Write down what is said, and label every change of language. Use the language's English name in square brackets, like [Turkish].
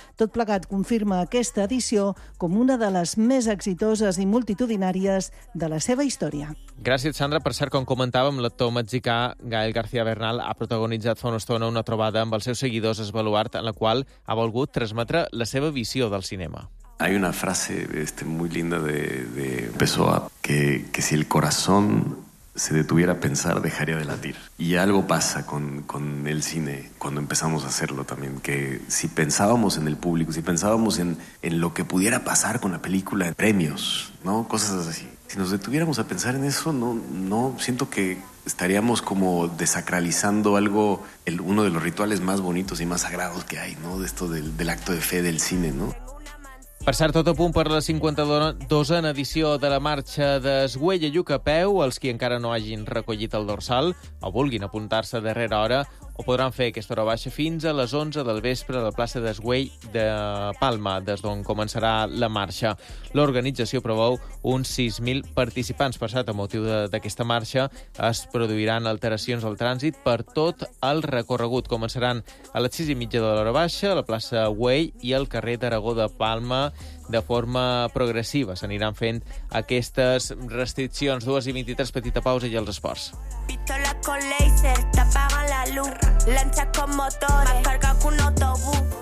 [Catalan] Tot plegat confirma aquesta edició com una de les més exitoses i multitudinàries de la seva història. Gràcies, Sandra. Per cert, com comentàvem, l'actor mexicà Gael García Bernal ha protagonitzat fa una estona una trobada amb els seus seguidors es Baluart, en la qual ha volgut transmetre la seva visió del cinema. [Spanish] Hay una frase muy linda de Pessoa que si el corazón se detuviera a pensar, dejaría de latir. Y algo pasa con el cine cuando empezamos a hacerlo también, que si pensábamos en el público, si pensábamos en lo que pudiera pasar con la película, en premios, ¿no? Cosas así. Si nos detuviéramos a pensar en eso, no siento que estaríamos como desacralizando algo, uno de los rituales más bonitos y más sagrados que hay, ¿no? De esto del acto de fe del cine, ¿no? [Catalan] Per cert, tot a punt per la 52a edició de la marxa d'Esgüella Llucapeu. Els qui encara no hagin recollit el dorsal o vulguin apuntar-se a darrera hora ho podran fer aquesta hora baixa fins a les 11 del vespre a la plaça d'Esgüell de Palma, des d'on començarà la marxa. L'organització preveu uns 6.000 participants. Per cert, a motiu d'aquesta marxa es produiran alteracions al trànsit per tot el recorregut. Començaran a les 6:30 de l'hora baixa a la plaça Güell i al carrer d'Aragó de Palma de forma progressiva. S'aniran fent aquestes restriccions. 2:23, petita pausa i els esports. [Spanish] Pistola con laser, t'apaga la luz. Lancha con motor, más carga que un autobús.